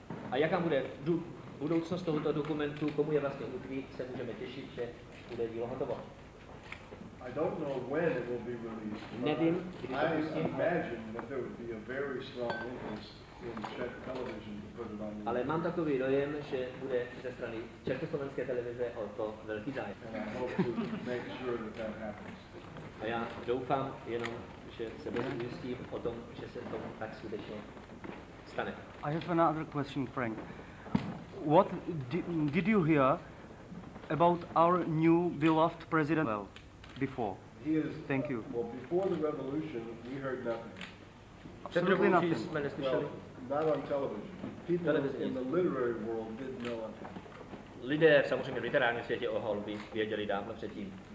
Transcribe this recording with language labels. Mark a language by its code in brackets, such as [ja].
[cs] A jaká bude budoucnost tohoto dokumentu, komu je vlastně útví, se můžeme těšit, že bude dílo hotovo. [en] I don't know when it will be released. [cs] Nevím, [en] I imagine that there would be a very strong interest in Czech television to put it on. [cs] Ale mám takový dojem, že bude ze strany Československé televize o to velký zájem. [en] And I hope to make sure that that happens. [cs] A já doufám jenom, že se budu ujistit o tom, že se to tak skutečně stane. [en] I have another question, Frank. What did you hear about our new beloved president before? Thank you. Well, before the revolution, we heard nothing. Absolutely nothing. Well, not on television. People in the literary world didn't know anything. [cs] Lidé samozřejmě v literárním světě o holubí věděli dávno předtím.